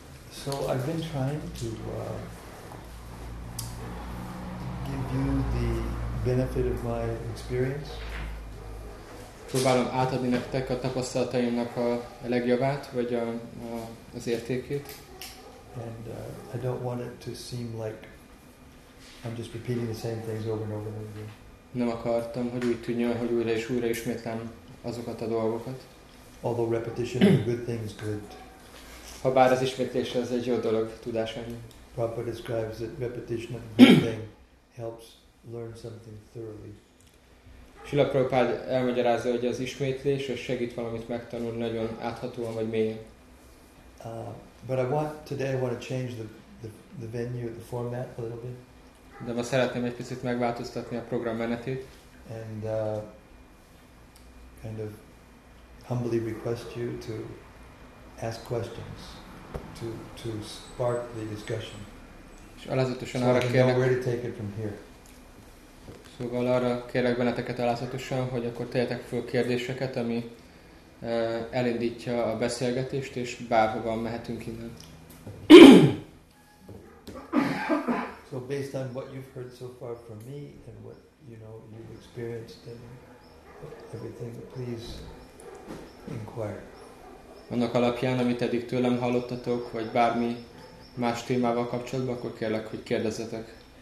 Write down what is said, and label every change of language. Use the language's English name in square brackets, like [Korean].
[English] So I've been trying to give you the benefit of my experience. [Hungarian] Próbálom átadni nektek a tapasztalataimnak a legjobbát, vagy az értékét. [English] And I don't want it to seem like I'm just repeating the same things over and over again. [Hungarian] Nem akartam, hogy úgy tűnjön, hogy újra és újra ismétlem azokat a dolgokat. [English] Although repetition is a good thing, is good. [Hungarian] Ha bár az ismétlés az egy jó dolog, tudás annyi. [English] Prabhupada describes that repetition of a good thing helps learn something thoroughly. [Hungarian] Srila Prabhupada elmagyarázza, hogy az ismétlés és segít valamit megtanulni nagyon áthatóan vagy mélyen. [English] But I want today I want to change the venue, the format a little bit. [Hungarian] De ma szeretném egy picit megváltoztatni a program menetét. [English] And kind of humbly request you to ask questions to spark the discussion. [Hungarian] És alázatosan arra kérlek. [English] So where to take it from here? [Hungarian] Szóval arra kérlek benneteket alázatosan, hogy akkor tegyetek föl kérdéseket, ami elindítja a beszélgetést, és bárhova mehetünk innen. [English] So based on what you've heard so far from me and what you know you've experienced and everything, please inquire. [Hungarian] Annak alapján, amit eddig tőlem hallottatok, vagy bármi más témával kapcsolatban, akkor kérlek, hogy kérdezzetek.